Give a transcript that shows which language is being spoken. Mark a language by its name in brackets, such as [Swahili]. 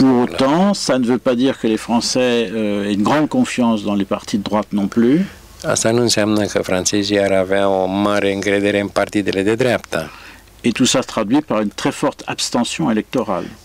[French] Pour autant, ça ne veut pas dire que les Français aient une grande confiance dans les partis de droite non plus. [Romanian] Asta nu înseamnă că francezii ar avea o mare încredere în partidele de dreapta. [French] Et tout ça se traduit par une très forte abstention électorale.